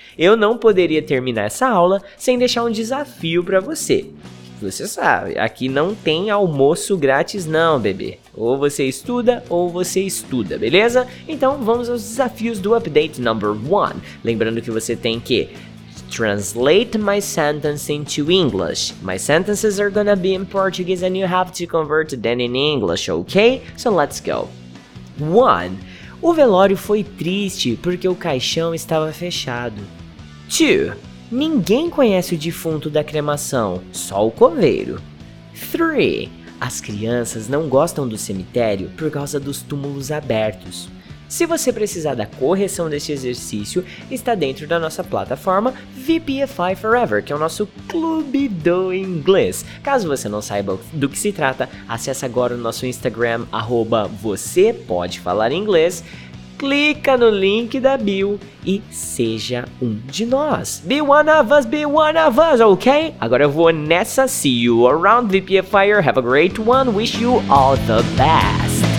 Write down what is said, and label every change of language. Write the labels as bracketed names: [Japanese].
[Portuguese] Eu não poderia terminar essa aula sem deixar um desafio pra você. Você sabe, aqui não tem almoço grátis não, bebê. Ou você estuda, beleza? Então vamos aos desafios do update number 1. Lembrando que você tem que [English] translate my sentence into English. My sentences are gonna be in Portuguese and you have to convert them in English, ok? So let's go. 1. [Portuguese] O velório foi triste porque o caixão estava fechado. 2. Ninguém conhece o defunto da cremação, só o coveiro. 3. As crianças não gostam do cemitério por causa dos túmulos abertos. Se você precisar da correção deste exercício, está dentro da nossa plataforma VPFI Forever, que é o nosso clube do inglês. Caso você não saiba do que se trata, acesse agora o nosso Instagram, @ você pode falar inglês, clica no link da bio e seja um de nós. [English] Be one of us, be one of us, ok? [Portuguese] Agora eu vou nessa, [English] see you around VPFI, have a great one, wish you all the best.